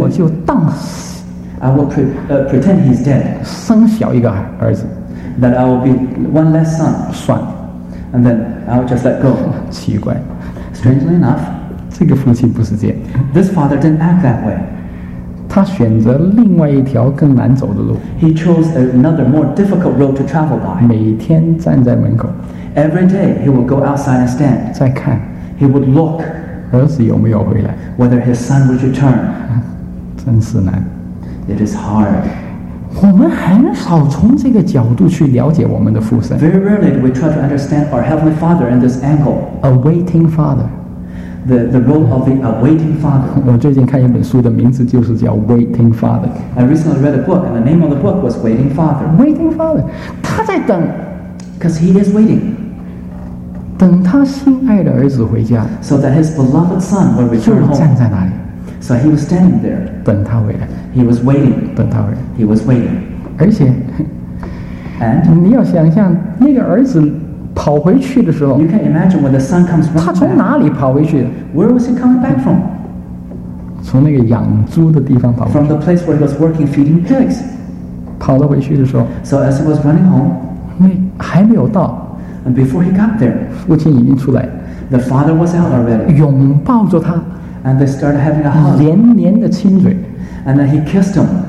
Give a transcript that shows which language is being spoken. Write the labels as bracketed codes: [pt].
[zh] 我就当死 [en] I will pretend he's dead [zh] 生小一个儿子 [en] That I will be one less son [zh] 算 [en] And then I will just let go [zh] 奇怪 [en] Strangely enough [zh] 这个父亲不是这样。 [en] This father didn't act that way. [zh] 他选择另外一条更难走的路。 [en] He chose another more difficult road to travel by. [zh] 每天站在门口。 [en] Every day he would go outside and stand. [zh] 再看。 [en] He would look. [zh] 儿子有没有回来。 [en] Whether his son would return. [zh] 真是难。 [en] It is hard. [zh] 我们很少从这个角度去了解我们的父神。 [en] Very rarely do we try to understand our heavenly father in this angle. A waiting father. The role of the awaiting father. [zh] 我最近看一本书的名字就是叫 Waiting Father. [en] I recently read a book, and the name of the book was Waiting Father. [zh] Waiting Father, 他在等 [en] because he is waiting. [zh] 等他心爱的儿子回家 [en] so that his beloved son will return home. [zh] 就站在那里 [en] so he was standing there. [zh] 等他回来 [en] he was waiting. [zh] 等他回来 [en] he was waiting. [zh] 而且 [en] and [zh] 你要想象那个儿子。跑回去的时候 [en] you can imagine when the son comes back, [zh] 他从哪里跑回去 [en] Where was he coming back from? [zh] 从那个养猪的地方跑回去 [en] From the place where he was working feeding pigs [zh] 跑了回去的时候 [en] So as he was running home [zh] 还没有到 [en] And before he got there [zh] 父亲已经出来 [en] The father was out already [zh] 拥抱着他 [en] And they started having a hug [zh] 连连的亲嘴 [en] And then he kissed him